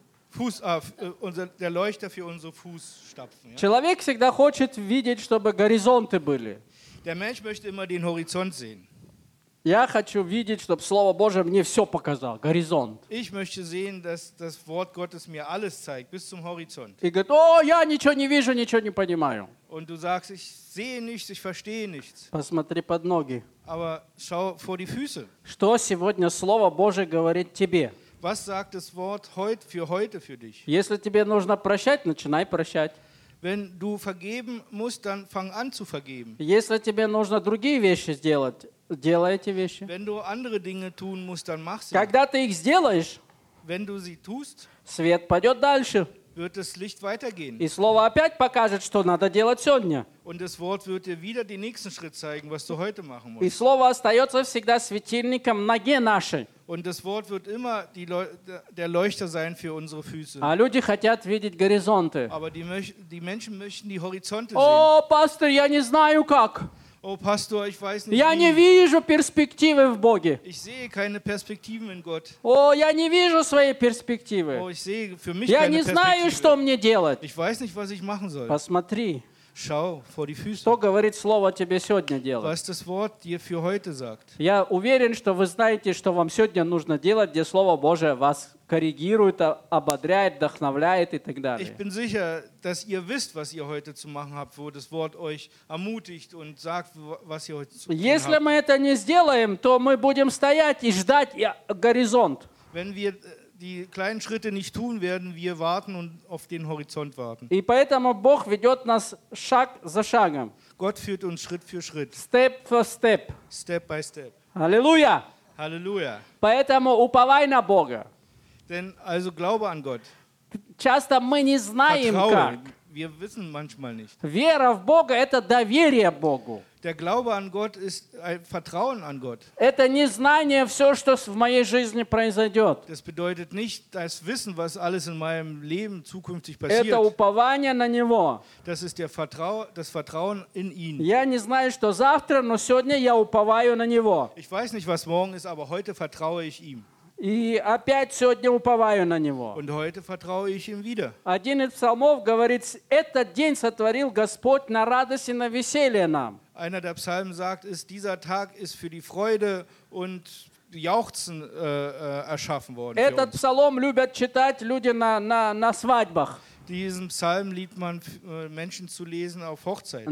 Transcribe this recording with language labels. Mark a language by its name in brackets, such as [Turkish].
[German] Fuß, der Leuchter für unsere Fußstapfen. Ja? [Russian] Человек всегда хочет видеть, чтобы горизонты были. [German] Der Mensch möchte immer den Horizont sehen. [Russian] Я хочу видеть, чтобы Слово Божье мне все показало, горизонт. [German] Ich möchte sehen, dass das Wort Gottes mir alles zeigt, bis zum Horizont. [Russian] И говорит, о, я ничего не вижу, ничего не понимаю. [German] Und du sagst, ich sehe nichts, ich verstehe nichts. [Russian] Посмотри под ноги. [German] Aber schau vor die Füße. [Russian] Что сегодня Слово Божье говорит тебе? [German] Was sagt das Wort heute für dich? [Russian] Если тебе нужно прощать, начинай прощать. [German] Wenn du vergeben musst, dann fang an zu vergeben. [Russian] Если тебе нужно другие вещи сделать, делай эти вещи. [German] Wenn du andere Dinge tun musst, dann mach sie. [Russian] Когда ты их сделаешь, [German] wenn du sie tust, [Russian] свет пойдет дальше. [German] Wird das Licht weitergehen. [Russian] И Слово опять покажет, что надо делать сегодня. [German] Und das Wort wird dir wieder den nächsten Schritt zeigen, was du heute machen musst. [Russian] И Слово остается всегда светильником ноге нашей. [German] Und das Wort wird immer der Leuchter sein für unsere Füße. [Russian] А люди хотят видеть горизонты. [German] Aber die Menschen möchten die Horizonte [Russian] sehen. О, пастор, я не знаю как. О, пастор, [German] ich weiß nicht, [Russian] я не вижу перспективы в Боге. [German] Ich sehe keine Perspektiven in Gott. [Russian] О, я не вижу своей перспективы. [German] Oh, ich sehe für mich [Russian] я [German] keine [Russian] не знаю, что мне делать. [German] Ich weiß nicht, was ich machen soll. [Russian] Посмотри. [German] Schau vor die Füße. [Russian] Что говорит Слово тебе сегодня делать? [German] Was das Wort dir für heute sagt. [Russian] Я уверен, что вы знаете, что вам сегодня нужно делать, где Слово Божие вас коррегирует, ободряет, вдохновляет и так далее. [German] Ich bin sicher, dass ihr wisst, was ihr heute zu machen habt, wo das Wort euch ermutigt und sagt, was ihr heute zu tun habt. [Russian] Если мы это не сделаем, то мы будем стоять и ждать горизонт. [German] Wenn wir die kleinen Schritte nicht tun, werden wir warten und auf den Horizont warten. [Russian] И поэтому Бог ведет нас шаг за шагом. [German] Gott führt uns Schritt für Schritt. [English] Step for step. Step by step. [German] Halleluja. Halleluja. [Russian] Поэтому уповай на Бога. [German] Denn also glaube an Gott. [Russian] Часто мы не знаем [German] Vertraue. [Russian] Как. [German] Wir wissen manchmal nicht. [Russian] Вера в Бога – это доверие Богу. [German] Der Glaube an Gott ist ein Vertrauen an Gott. [Russian] Это незнание все, что в моей жизни произойдет. [German] Das bedeutet nicht das Wissen, was alles in meinem Leben zukünftig passiert. [Russian] Это упование на Него. [German] Das ist das Vertrauen in ihn. [Russian] Я не знаю, что завтра, но сегодня я уповаю на Него. [German] Ich weiß nicht, was morgen ist, aber heute vertraue ich ihm. [Russian] И опять сегодня уповаю на Него. [German] Und heute vertraue ich ihm wieder. [Russian] Один из псалмов говорит, этот день сотворил Господь на радость и на веселье нам. [German] Einer der Psalmen sagt, ist, dieser Tag ist für die Freude und Jauchzen erschaffen worden. [Russian] Этот псалом любят читать люди на свадьбах. [German] Diesen Psalm liebt man Menschen zu lesen auf Hochzeiten.